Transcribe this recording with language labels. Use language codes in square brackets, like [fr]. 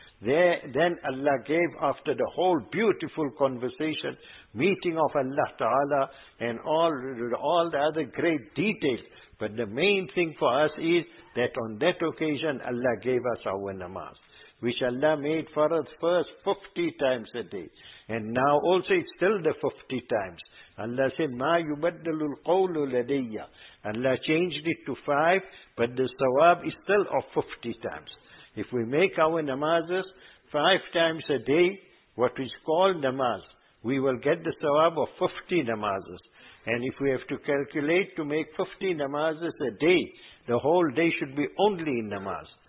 [en] There, then Allah gave, after the whole beautiful conversation, meeting of Allah Ta'ala and all the other great details. But the main thing for us is that on that occasion Allah gave us our namaz, which Allah made for us first 50 times a day. And now also it's still the 50 times. Allah said, [ar] مَا يُبَدَّلُ الْقَوْلُ لَدَيَّ. [en] Allah changed it to 5, but the sawab is still of 50 times. If we make our namazes 5 times a day, what is called namaz, we will get the sawab of 50 namazes. And if we have to calculate to make 50 namazes a day, the whole day should be only in namaz.